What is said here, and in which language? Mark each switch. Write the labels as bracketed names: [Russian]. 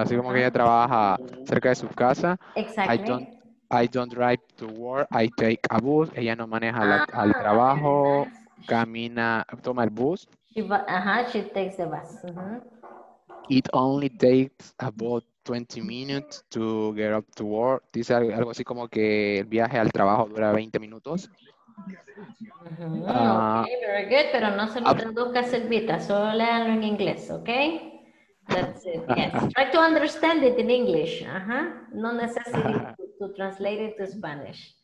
[Spanish] Así como que ella trabaja cerca de su casa. [English] Exactly. I don't drive to work, I take a bus. [Spanish] Ella no maneja al trabajo, camina, toma el bus. [English] She takes the bus. It only takes about 20 minutes to get up to work. [Spanish] Dice algo así como que el viaje al trabajo dura 20 minutos. [English] Okay, very good, [Spanish] pero no se lo traduzca Silvita, solo léalo en inglés, okay? [English] That's it, yes. Try to understand it in English, No necessary to translate it to Spanish.